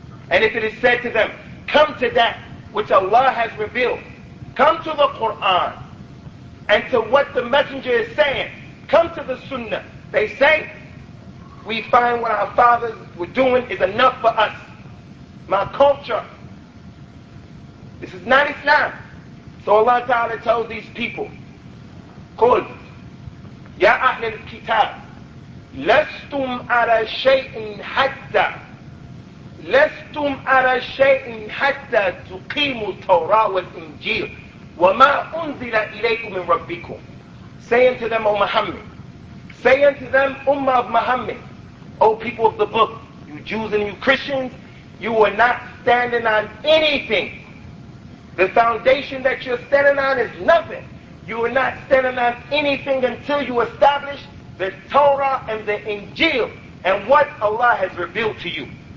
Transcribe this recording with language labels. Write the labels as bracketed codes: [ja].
[en] And if it is said to them, come to that which Allah has revealed, come to the Quran and to what the Messenger is saying, come to the Sunnah, they say, we find what our fathers were doing is enough for us. My culture, this is not Islam. So Allah Ta'ala tells these people, [ar] قُلْ يَا أَهْلِ الْكِتَابِ لَسْتُمْ عَلَى شَيْءٍ حَتَّى لَسْتُمْ عَلَى شَيْءٍ حَتَّى تُقِيمُ التَّوْرَاةَ وَالْإِنْجِيلَ وَمَا أُنزِلَ إِلَيْكُمْ مِنْ رَبِّكُمْ. [en] Saying to them, O Muhammad, saying to them, Ummah of Muhammad, O people of the book, you Jews and you Christians, you are not standing on anything. The foundation that you're standing on is nothing. You are not standing on anything until you establish the Torah and the Injil and what Allah has revealed to you.